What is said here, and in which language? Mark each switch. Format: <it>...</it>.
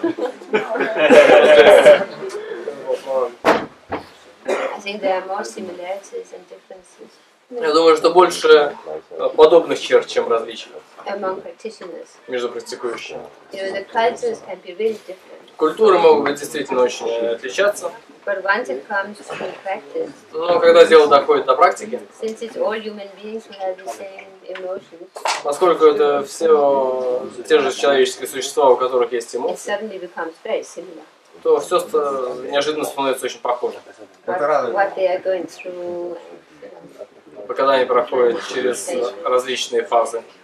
<en>I think there are more similarities and differences.</en> <ru>Я думаю, что больше подобных черт, чем различных.</ru> <en>among practitioners.</en> <ru>Между практикующими.</ru> <en>You know, the cultures can be really different.</en> <ru>Культуры могут быть действительно очень отличаться.</ru> <en>But once it comes to practice.</en> <ru>Но когда дело доходит до практики.</ru> <en>Since it's all human beings who have the same emotions.</en> <ru>Поскольку это все те же человеческие существа, у которых есть эмоции.</ru> <en>It suddenly becomes very similar.</en> <ru>То все неожиданно становится очень похоже.</ru> <en>What they are going through.</en> <ru>Когда они проходят через различные фазы.</ru>